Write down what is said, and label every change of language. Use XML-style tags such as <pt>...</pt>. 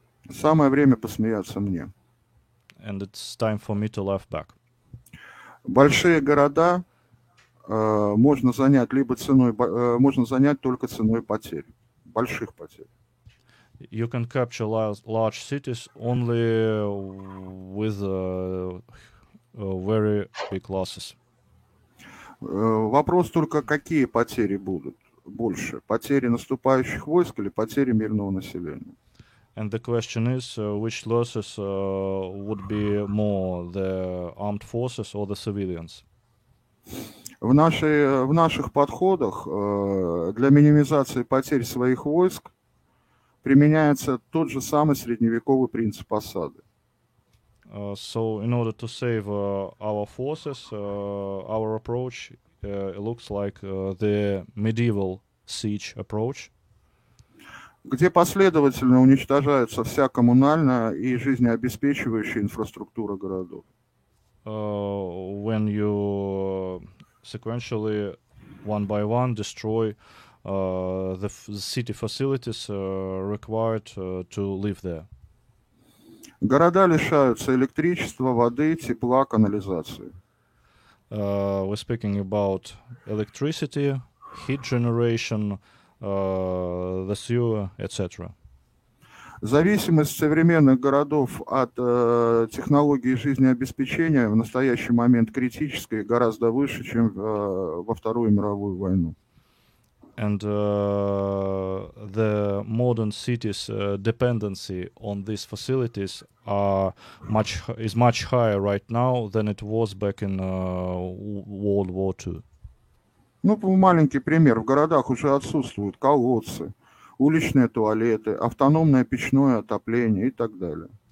<ru>Самое время посмеяться мне.</ru> <en>And it's time for me to laugh back.</en> <ru>Большие города можно занять либо ценой, можно занять только ценой потерь, больших потерь.</ru> <en>You can capture large cities only with very big losses.</en> <ru>Вопрос только, какие потери будут больше, потери наступающих войск или потери мирного населения?</ru> <en>And the question is, which losses would be more, the armed forces or the civilians?</en> <ru>В наших подходах для минимизации потерь своих войск применяется тот же самый средневековый принцип осады.</ru> <en>So in order to save our forces, our approach looks like the medieval siege approach.</en> <ru>Где последовательно уничтожается вся коммунальная и жизнеобеспечивающая инфраструктура городов.</ru> <en>When you sequentially one by one destroy the city facilities required to live there.</en> <ru>Города лишаются электричества, воды, тепла, канализации.</ru> <en>We're speaking about electricity, heat generation, the sewer, etc.</en> <ru>Зависимость современных городов от технологии жизнеобеспечения в настоящий момент критическая и гораздо выше, чем во Вторую мировую войну.</ru> <en>And the modern cities' dependency on these facilities is much higher right now than it was back in World War II.</en> <ru>Ну, маленький пример. В городах уже отсутствуют колодцы, уличные туалеты, автономное печное отопление и так далее.</ru>